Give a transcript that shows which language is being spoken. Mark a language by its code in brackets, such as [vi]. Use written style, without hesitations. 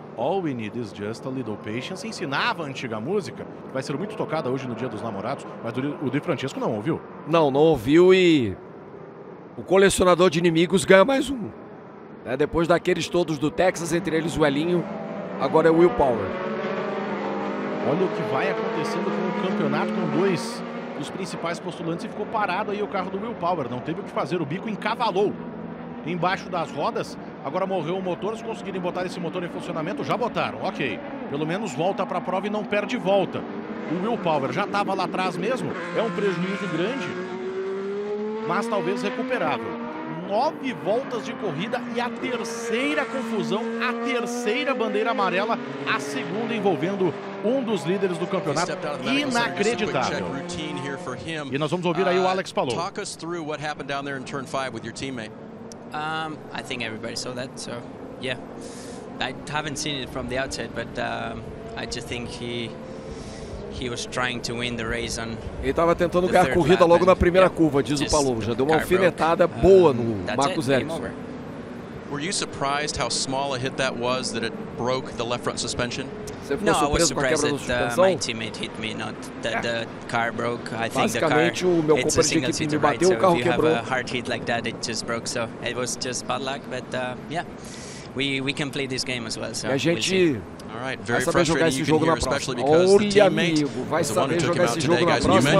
[en] All we need is just a little patience. [pt] Ensinava a antiga música, que vai ser muito tocada hoje no Dia dos Namorados, mas o Di Francesco não ouviu. Não ouviu, e o colecionador de inimigos ganha mais um. Né? Depois daqueles todos do Texas, entre eles o Elinho, agora é o Will Power. Olha o que vai acontecendo com o campeonato, com dois dos principais postulantes, e ficou parado aí o carro do Will Power. Não teve o que fazer, o bico encavalou embaixo das rodas. Agora morreu o motor, se conseguirem botar esse motor em funcionamento, já botaram, ok. Pelo menos volta para a prova e não perde volta. O Will Power já estava lá atrás mesmo, é um prejuízo grande, mas talvez recuperável. 9 voltas de corrida e a terceira confusão, a terceira bandeira amarela, a segunda envolvendo um dos líderes do campeonato. Inacreditável. E nós vamos ouvir aí o Alex Palou. [en] Talk us through what happened down there in turn 5 with your teammate. I think everybody saw that, so yeah, I haven't seen it from the outset, but I just think he was trying to win the race on. [pt] Ele estava tentando ganhar a corrida logo na primeira curva, diz o Palou. Já deu uma alfinetada boa no Marcos Ericsson. [en] Were you surprised how small a hit that was, that it broke the left front suspension? No, I was surprised that my teammate hit me, not that the car broke. I think the car, [pt] o meu [en] it's a single seat ride, [pt] bateu, [en] so [pt] o carro [en] if you [pt] quebrou. [en] Have a hard hit like that, it just broke. So it was just bad luck, but yeah, we can play this game as well. So [pt] a gente vai saber jogar esse jogo na próxima. Olha, amigo, vai saber jogar esse jogo na próxima.